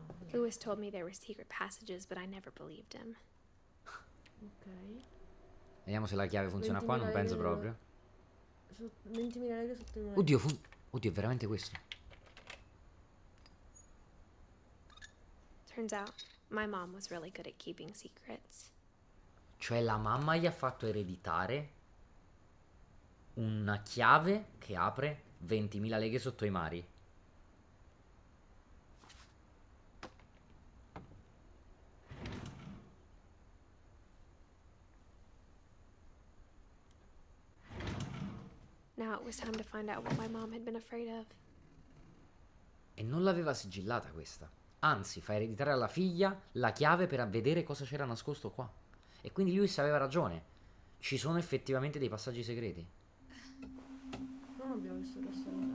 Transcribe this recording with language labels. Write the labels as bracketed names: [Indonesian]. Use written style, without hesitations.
[English] Lewis told me there were secret passages, but I never believed him. [Italian] Ok. Vediamo se la chiave funziona qua, non penso proprio. 20.000 lire sotto il mare. Oddio, è veramente questo. [English] Turns out my mom was really good at keeping secrets. [Italian] Cioè la mamma gli ha fatto ereditare una chiave che apre 20.000 leghe sotto i mari. [English] Now it was time to find out what my mom had been afraid of. [Italian] E non l'aveva sigillata questa. Anzi, fa ereditare alla figlia la chiave per vedere cosa c'era nascosto qua. E quindi Lewis aveva ragione. Ci sono effettivamente dei passaggi segreti. Non abbiamo visto questo.